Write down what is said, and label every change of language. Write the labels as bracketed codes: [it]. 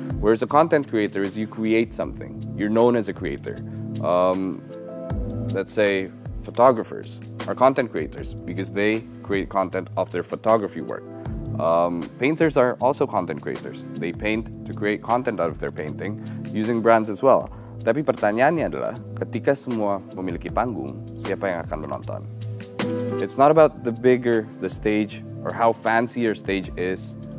[en] Whereas a content creator is you create something. You're known as a creator. Let's say photographers are content creators because they create content of their photography work. Painters are also content creators. They paint to create content out of their painting using brands as well. [id] Tapi pertanyaannya adalah, ketika semua memiliki panggung, siapa yang akan menonton? [en] It's not about the bigger the stage or how fancy your stage is.